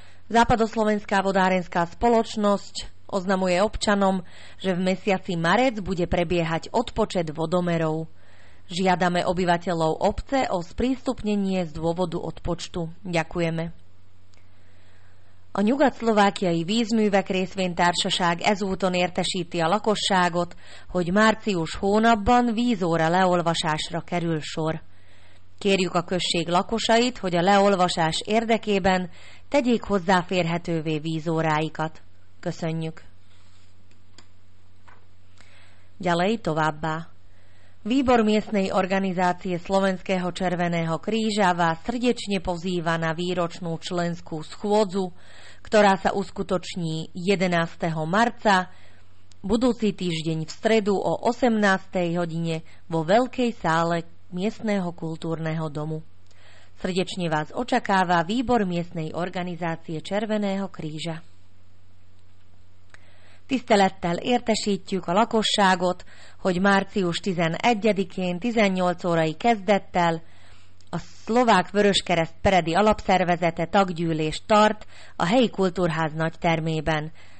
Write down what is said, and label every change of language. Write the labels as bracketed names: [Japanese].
[Slovak] Západoslovenská vodárenská spoločnosť oznamuje občanom, že v mesiaci marec bude prebiehať odpočet vodomerov. Žiadame obyvateľov obce o sprístupnenie z dôvodu odpočtu. Ďakujeme. [Hungarian] A nyugat szlovákiai vízművek részvénytársaság ezúton értesíti a lakosságot, hogy március hónapban vízóra leolvasásra kerül sor. Kérjük a község lakosait, hogy a leolvasás érdekében tegyék hozzáférhetővé vízóráikat. Köszönjük! [Slovak] Ďalej [Hungarian] továbbá. [Slovak] Výbor miestnej organizácie Slovenského červeného kríža vás srdečne pozýva na výročnú členskú schôdzu, ktorá sa uskutoční 11. marca, budúci týždeň v stredu o 18. hodine vo Veľkej sále miestneho kultúrneho domu. Srdečne vás očakáva Výbor miestnej organizácie Červeného kríža. [Hungarian] Tisztelettel értesítjük a lakosságot, hogy március 11-én 18 órai kezdettel a Szlovák Vöröskereszt Peredi Alapszervezete taggyűlést tart a helyi kultúrház nagy termében.